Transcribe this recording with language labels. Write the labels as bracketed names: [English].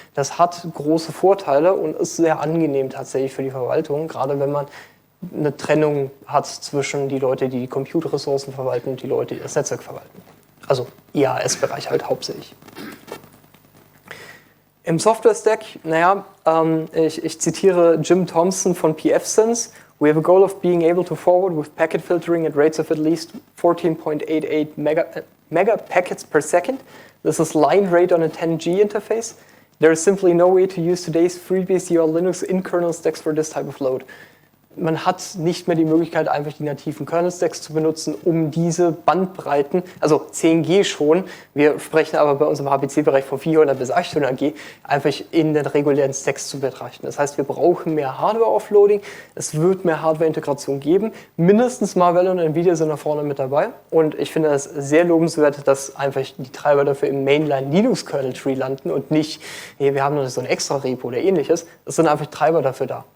[German] Das hat große Vorteile und ist sehr angenehm tatsächlich für die Verwaltung, gerade wenn man eine Trennung hat zwischen die Leute, die die Computerressourcen verwalten und die Leute, die das Netzwerk verwalten. Also IaaS-Bereich halt hauptsächlich. Im Software-Stack, naja, ich zitiere Jim Thompson von PFSense. [English] We have a goal of being able to forward with packet filtering at rates of at least 14.88 megapackets per second. This is line rate on a 10G interface. There is simply no way to use today's FreeBSD or Linux in kernel stacks for this type of load. [German] Man hat nicht mehr die Möglichkeit, einfach die nativen kernel stacks zu benutzen, um diese Bandbreiten, also 10G schon, wir sprechen aber bei unserem HPC-Bereich von 400 bis 800 G, einfach in den regulären Stacks zu betrachten. Das heißt, wir brauchen mehr Hardware-Offloading, es wird mehr Hardware-Integration geben, mindestens Marvell und Nvidia sind da vorne mit dabei und ich finde es sehr lobenswert, dass einfach die Treiber dafür im Mainline-Linux-Kernel-Tree landen und nicht, hey, wir haben noch so ein Extra-Repo oder ähnliches, es sind einfach Treiber dafür da.